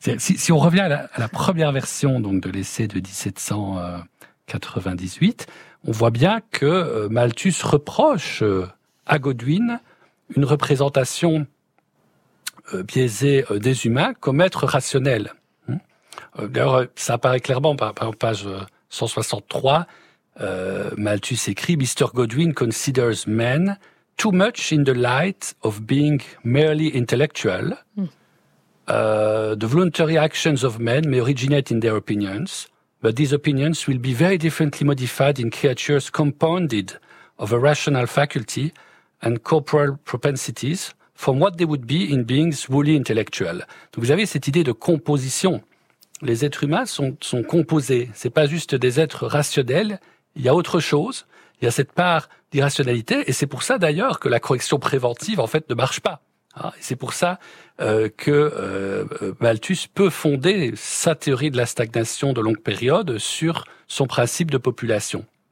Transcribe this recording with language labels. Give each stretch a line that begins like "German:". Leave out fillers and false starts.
French: Si on revient à la première version donc de l'essai de 1798, on voit bien que Malthus reproche à Godwin une représentation biaisée des humains comme êtres rationnels. D'ailleurs, ça apparaît clairement par page 163. Malthus écrit « Mr.
English: Godwin considers men too much in the light of being merely intellectual. The voluntary actions of men may originate in their opinions, but these opinions will be very differently modified in creatures compounded of a rational faculty and corporal propensities from what they would be in beings wholly intellectual. »
French: Donc vous avez cette idée de composition. Les êtres humains sont composés. C'est pas juste des êtres rationnels. Il y a autre chose. Il y a cette part d'irrationalité. Et c'est pour ça, d'ailleurs, que la correction préventive, en fait, ne marche pas. Et c'est pour ça que Malthus peut fonder sa théorie de la stagnation de longue période sur son principe de population.